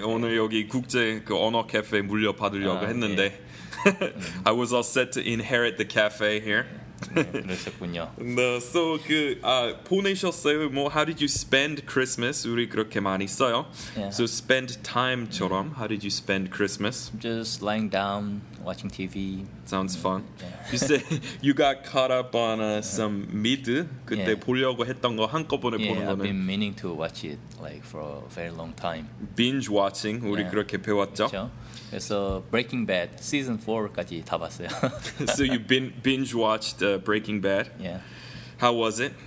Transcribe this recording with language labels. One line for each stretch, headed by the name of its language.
Korean: 오늘 여기 국제 그 언어 카페 물려 받으려고 했는데.
English: I was all set to inherit the cafe here.
Korean: 그러셨군요.
English: No, so
Korean: 그 보내셨어요. 뭐
English: how did you spend Christmas?
Korean: 우리 그렇게 많이 써요.
English: Yeah. So spend time
Korean: 처럼 yeah.
English: how did you spend Christmas? Just lying down, watching TV. Sounds fun. Yeah. You say you got caught up on some mid.
Korean: 그때 yeah. 보려고 했던 거 한꺼번에 yeah, 보는 거는.
English: I've been meaning to watch it like for a very long time. Binge watching.
Korean: 우리 yeah. 그렇게 배웠죠. 그렇죠? So Breaking Bad season 4까지 다 봤어요.
English: So you binge watched Breaking Bad. Yeah. How was it?